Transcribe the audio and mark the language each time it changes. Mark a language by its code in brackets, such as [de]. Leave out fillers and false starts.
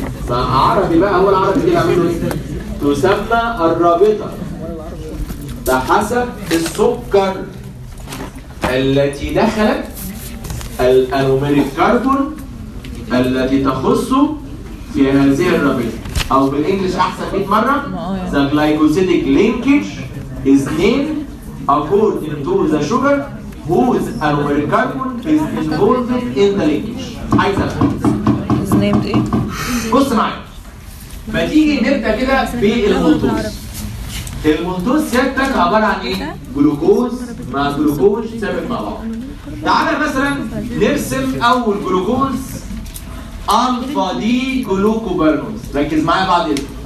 [ar] عربي بقى هو العربي دي بعمله ايه؟ تسمى الرابطة بحسب السكر التي دخلت الانوميريك كاربون التي تخص في هذه الرابطة. أو بالإنجليش أحسن 100 مرة. [en] The glycosidic linkage is named according to the sugar whose anomeric carbon is involved in the linkage. [ar] حيث [en] is named it. [ar] بص معي ما تيجي نبدأ كده بالمولتوز. المولتوز سيادتك عبارة عن إيه؟ جلوكوز مع جلوكوز سابق مع بعض. تعالى مثلا نرسم أول جلوكوز الفا دي جلوكوبرنوز. ركز معايا بعد اذنك.